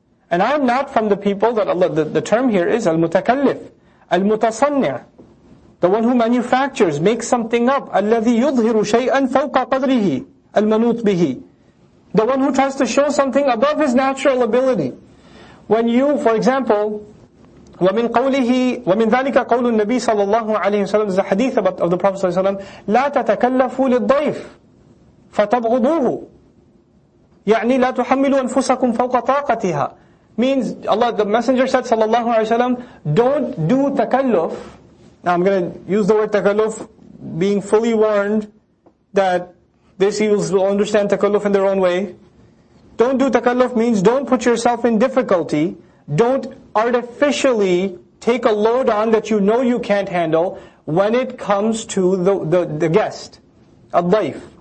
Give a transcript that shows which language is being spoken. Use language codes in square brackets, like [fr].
[en] And I'm not from the people that Allah, the term here is al-mutakallif, al-mutasannir, The one who manufactures, makes something up. [ar] الَّذِي يُظْهِرُ شَيْئًا فَوْقَ قَدْرِهِ الْمَنُوتْ بِهِ. [en] The one who tries to show something above his natural ability. When you, for example, [ar] وَمِنْ قَوْلِهِ وَمِنْ ذَلِكَ قَوْلُ النَّبِي صَلَى اللَّهُ عَلَيْهِ وَسَلَمْ [en] is a hadith about, of the Prophet [ar] صلى الله عليه وسلم, لَا تَتَكَلَّفُوا لِلضَّيْفِ فَتَبْغُدُوهُ يَعْنِي لَا تُحَمِّلُوا أَنفُسَكُمْ فَوْقَ طَاقَتِهَا. [en] Means, Allah, the Messenger said صلى الله عليه وسلم, don't do takalluf. Now I'm going to use the word takalluf, being fully warned that this youth will understand takalluf in their own way. Don't do takalluf means don't put yourself in difficulty. Don't artificially take a load on that you know you can't handle when it comes to the guest, al-dhayf.